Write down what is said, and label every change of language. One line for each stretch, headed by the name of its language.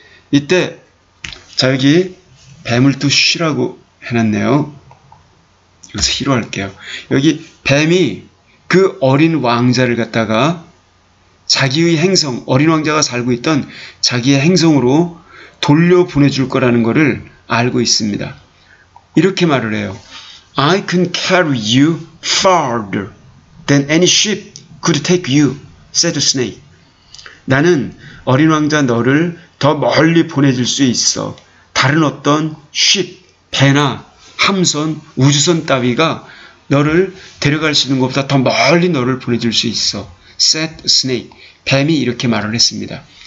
Korean: 이때, 자, 여기 뱀을 또 she라고 해놨네요. 여기서 히로 할게요. 여기 뱀이 그 어린 왕자를 갖다가 자기의 행성, 어린 왕자가 살고 있던 자기의 행성으로 돌려보내줄 거라는 것을 알고 있습니다. 이렇게 말을 해요.
English: I can carry you farther than any ship could take you, said the snake.
Korean: 나는 어린 왕자 너를 더 멀리 보내줄 수 있어. 다른 어떤 ship, 배나 함선, 우주선 따위가 너를 데려갈 수 있는 것보다 더 멀리 너를 보내줄 수 있어.
English: said the snake.
Korean: 뱀이 이렇게 말을 했습니다.